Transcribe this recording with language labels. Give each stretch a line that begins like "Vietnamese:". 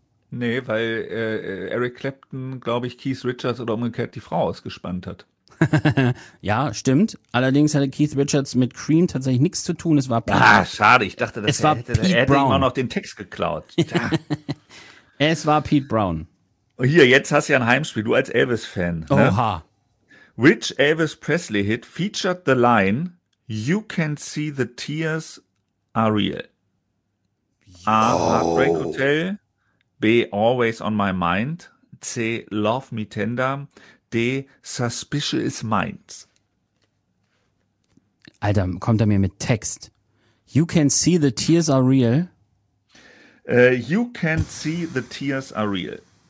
German: Nee, weil Eric Clapton, glaube ich, Keith Richards oder umgekehrt die Frau ausgespannt hat. Ja, stimmt. Allerdings hatte Keith Richards mit Cream tatsächlich nichts zu tun. Es war schade. Ich dachte, dass er hätte Brown immer noch den Text geklaut. Es war Pete Brown. Hier, jetzt hast du ja ein Heimspiel. Du als Elvis-Fan. Ne? Oha.
English: Which Elvis Presley hit featured the line "You can see the tears are real"? A. Heartbreak Hotel. B. Always on my mind. C. Love Me Tender. D. Suspicious Minds.
German: Alter, kommt er mir mit Text?
English: You can see the tears are real. You can see the tears are real.